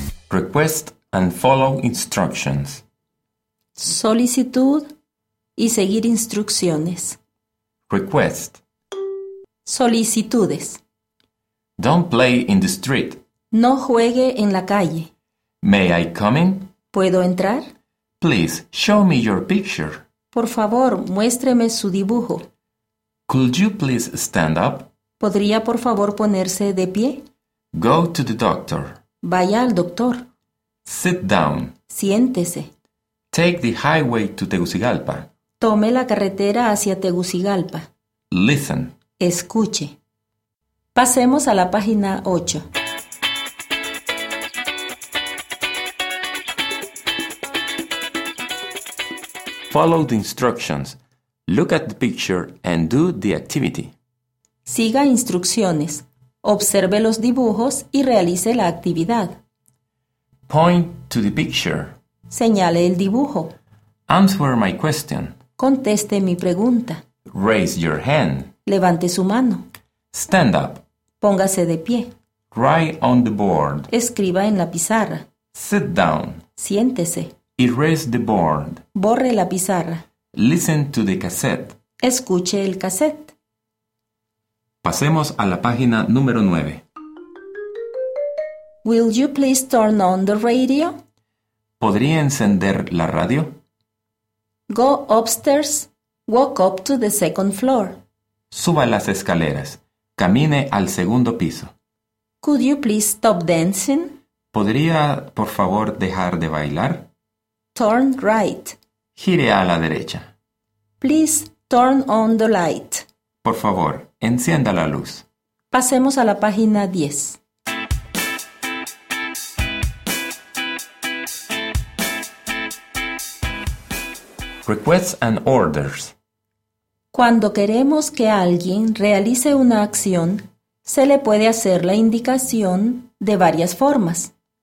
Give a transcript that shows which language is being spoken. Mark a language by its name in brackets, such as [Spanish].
[English] Request and follow instructions. [Spanish] Solicitud y seguir instrucciones. [English] Request. [Spanish] Solicitudes. [English] Don't play in the street. [Spanish] No juegue en la calle. [English] May I come in? [Spanish] ¿Puedo entrar? [English] Please, show me your picture. [Spanish] Por favor, muéstreme su dibujo. [English] Could you please stand up? [Spanish] ¿Podría por favor ponerse de pie? [English] Go to the doctor. [Spanish] Vaya al doctor. [English] Sit down. [Spanish] Siéntese. [English] Take the highway to Tegucigalpa. [Spanish] Tome la carretera hacia Tegucigalpa. [English] Listen. [Spanish] Escuche. Pasemos a la página 8. [English] Follow the instructions. Look at the picture and do the activity. [Spanish] Siga instrucciones. Observe los dibujos y realice la actividad. [English] Point to the picture. [Spanish] Señale el dibujo. [English] Answer my question. [Spanish] Conteste mi pregunta. [English] Raise your hand. [Spanish] Levante su mano. [English] Stand up. [Spanish] Póngase de pie. [English] Write on the board. [Spanish] Escriba en la pizarra. [English] Sit down. [Spanish] Siéntese. [English] Erase the board. [Spanish] Borre la pizarra. [English] Listen to the cassette. [Spanish] Escuche el cassette. Pasemos a la página número 9. [English] Will you please turn on the radio? [Spanish] ¿Podría encender la radio? [English] Go upstairs. Walk up to the second floor. [Spanish] Suba las escaleras. Camine al segundo piso. [English] Could you please stop dancing? [Spanish] ¿Podría, por favor, dejar de bailar? [English] Turn right. [Spanish] Gire a la derecha. [English] Please turn on the light. [Spanish] Por favor, encienda la luz. Pasemos a la página 10. [English] Requests and orders. [Spanish] Cuando queremos que alguien realice una acción, se le puede hacer la indicación de varias formas.